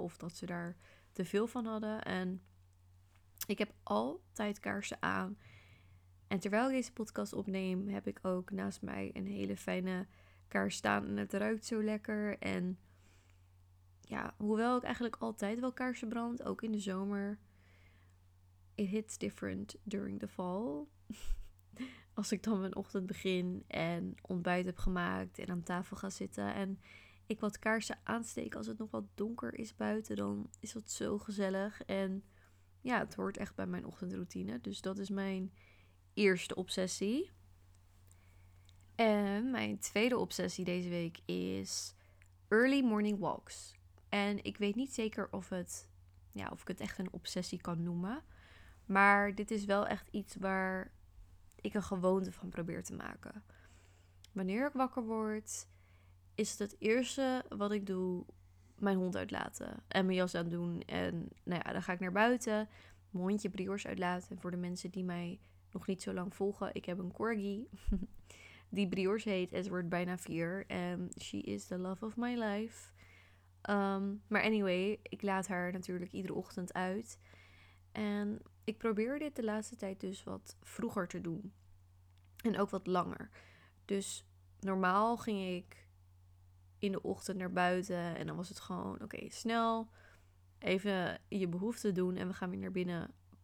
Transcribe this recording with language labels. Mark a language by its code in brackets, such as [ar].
[nl] Of dat ze daar te veel van hadden. En ik heb altijd kaarsen aan. En terwijl ik deze podcast opneem, heb ik ook naast mij een hele fijne kaars staan. En het ruikt zo lekker. En ja, hoewel ik eigenlijk altijd wel kaarsen brand, ook in de zomer. [en] It hits different during the fall. [nl] Als ik dan mijn ochtend begin en ontbijt heb gemaakt en aan tafel ga zitten en ik wat kaarsen aansteek als het nog wat donker is buiten, dan is dat zo gezellig. En ja, het hoort echt bij mijn ochtendroutine. Dus dat is mijn eerste obsessie. En mijn tweede obsessie deze week is [en] early morning walks. [nl] En ik weet niet zeker of het, ja, of ik het echt een obsessie kan noemen. Maar dit is wel echt iets waar ik een gewoonte van probeer te maken. Wanneer ik wakker word, is het eerste wat ik doe, mijn hond uitlaten en mijn jas aan doen. En nou ja, dan ga ik naar buiten, mijn hondje Brioche uitlaten. En voor de mensen die mij nog niet zo lang volgen, ik heb een corgi die Brioche heet. Het wordt bijna 4. En [en] she is the love of my life. [nl] Maar anyway, ik laat haar natuurlijk iedere ochtend uit. En ik probeer dit de laatste tijd dus wat vroeger te doen. En ook wat langer. Dus normaal ging ik in de ochtend naar buiten. En dan was het gewoon, oké, snel even je behoefte doen. En we gaan weer naar binnen.